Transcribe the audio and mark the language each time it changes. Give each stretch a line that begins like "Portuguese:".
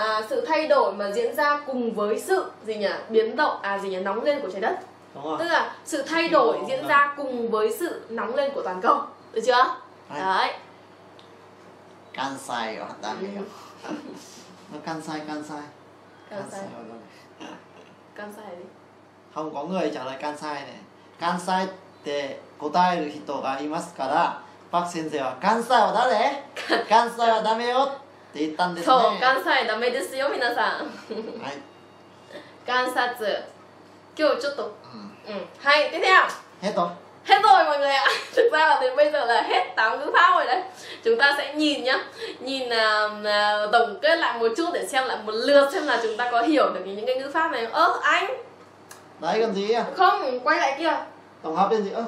Vietnamese: Sự thay đổi mà diễn ra cùng với sự gì nhỉ, biến động nóng lên của trái đất, tức là sự thay đổi diễn ra cùng với sự nóng lên của toàn cầu, được chưa? Đấy, can sai hoàn toàn, nó can sai, can sai, can sai, can sai đi, không có người trả lời can sai này.
Japanese: Can sai để答える人がいますから、パク先生は関西はダメ、関西はダメよって言ったんですね。そう、関西はダメですよ皆さん。はい。観察。今日ちょっと、はい、次は。ヘッド。ヘッド、
Vietnamese: mọi người ạ. Thực ra là đến bây giờ là hết 8 ngữ pháp rồi đấy. Chúng ta sẽ nhìn nhá, nhìn tổng kết lại một chút để xem lại một lượt xem là chúng ta có hiểu được những cái ngữ pháp này. Ơ, anh. Đấy, còn gì à? Không, quay lại kia. Tổng hợp lên gì ạ?